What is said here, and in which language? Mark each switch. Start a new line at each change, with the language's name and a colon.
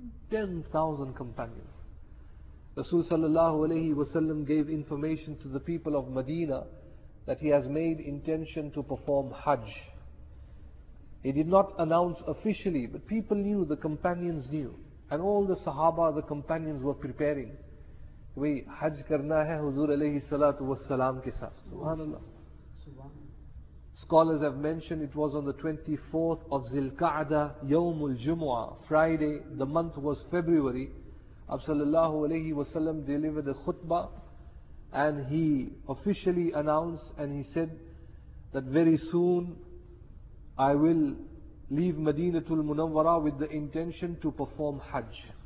English: 10,000 companions. Rasul sallallahu alayhi wa sallam gave information to the people of Medina that he has made intention to perform Hajj. He did not announce officially, but people knew, the companions knew, and all the Sahaba, the companions, were preparing.
Urdu: کہ بھئی حج کرنا ہے حضور علیہ الصلوۃ والسلام کے ساتھ. سبحان اللہ.
English: Scholars have mentioned it was on the 24th of Zilqa'dah, Yawm al-Jumu'ah, Friday. The month was February. Abu sallallahu alayhi wa sallam delivered a khutbah and he officially announced and he said that very soon I will leave Madinatul Munawwara with the intention to perform Hajj.